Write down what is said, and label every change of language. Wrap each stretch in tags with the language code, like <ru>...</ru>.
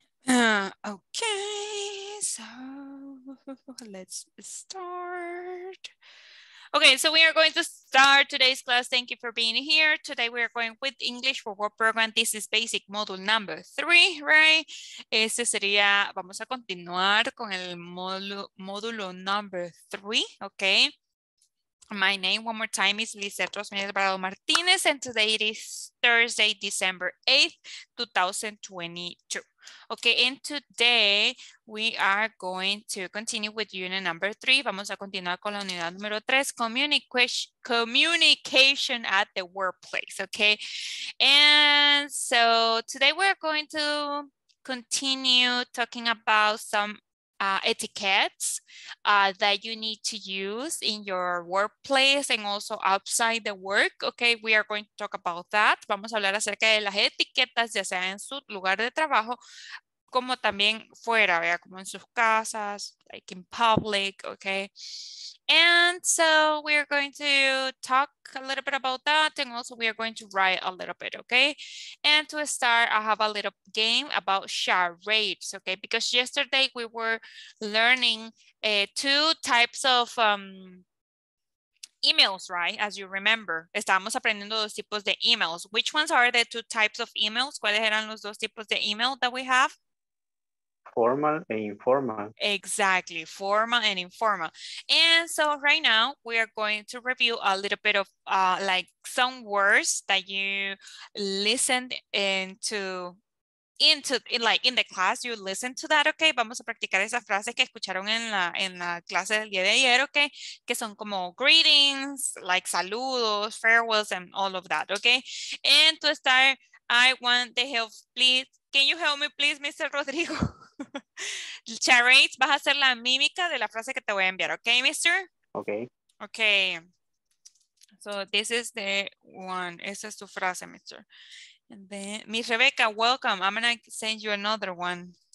<en>Okay, so let's start. Okay, so we are going to start today's class. Thank you for being here. Today we are going with English for Work Program. This is basic module number 3, right?</en> <es>Este sería, vamos a continuar con el módulo</es> <en>number 3,</en> <es>okay?</es> <en>My name one more time is Lizeth Rosmeyer Alvarado Martinez, and today it is Thursday, December 8th, 2022. Okay, and today we are going to continue with unit number 3.</en> <es>Vamos a continuar con la unidad número 3, communication at the workplace, okay?</es> <en>And so today we're going to continue talking about some etiquettes that you need to use in your workplace and also outside the work. Okay, we are going to talk about that.</en> <es>Vamos a hablar acerca de las etiquetas, ya sea en su lugar de trabajo, como también fuera, ¿verdad? Como en sus casas,</es> <en>like in public,</en> <es>okay?</es> <en>And so we are going to talk a little bit about that, and also we are going to write a little bit, okay? And to start, I have a little game about charades, okay? Because yesterday we were learning two types of emails, right? As you remember,</en> <es>estamos aprendiendo dos tipos de emails.</es> <en>Which ones are the two types of emails?</en> <es>¿Cuáles eran los dos tipos de email</es> <en>that we have? Formal and informal. Exactly, formal and informal. And so right now we are going to review a little bit of like some words that you listened in the class, you listen to that, okay?</en> <es>Vamos a practicar esas frases que escucharon en la clase del día de ayer, okay? Que son como greetings, like saludos, farewells, and all of that, okay?</es> <en>And to start, I want the help, please. Can you help me, please, Mr. Rodrigo?</en> <es>Charades, vas a hacer la mímica de la frase que te voy a enviar, okay, mister?</es> <en>Okay. Okay. So this is the one.</en> <es>Esa es tu frase, mister.</es> <en>And then, Miss Rebecca, welcome. I'm going to send you another one.</en>